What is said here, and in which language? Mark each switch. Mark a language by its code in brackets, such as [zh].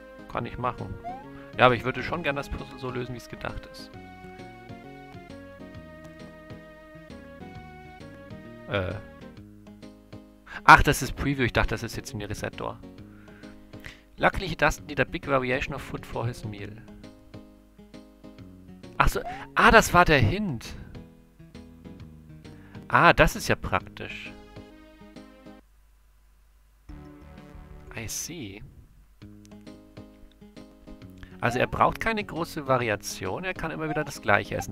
[de] Kann ich machen. Ja, aber ich würde schon gerne das Puzzle so lösen, wie es gedacht ist. Ach, das ist Preview. Ich dachte, das ist jetzt in die Reset-Door. [en] Luckily, he doesn't need a big variation of food for his meal. [de] Ach so, ah, das war der Hint. Ah, das ist ja praktisch. [en] I see. [de] Also er braucht keine große Variation, er kann immer wieder das gleiche essen.